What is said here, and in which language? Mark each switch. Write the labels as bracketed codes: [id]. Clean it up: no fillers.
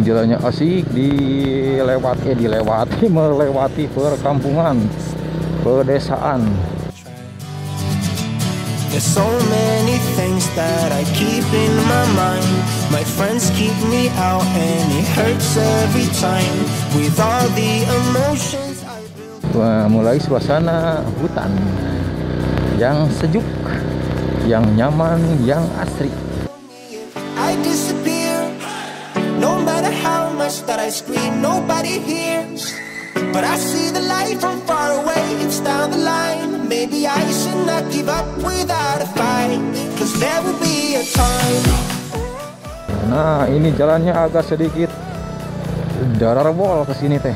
[id] Jalannya asik, melewati perkampungan, pedesaan. [en] There's so many things that I keep in my mind. My friends keep me out and it hurts every time. With all the emotions I build. [id] Wah, mulai suasana hutan yang sejuk, yang nyaman, yang asri. [en] I disappear. No matter how much that I scream, nobody hears. But I see the light from far away, it's down the line. Maybe I should not give up without a fight, 'cause there will be a time. [id] Nah, ini jalannya agak sedikit darawol ke sini teh.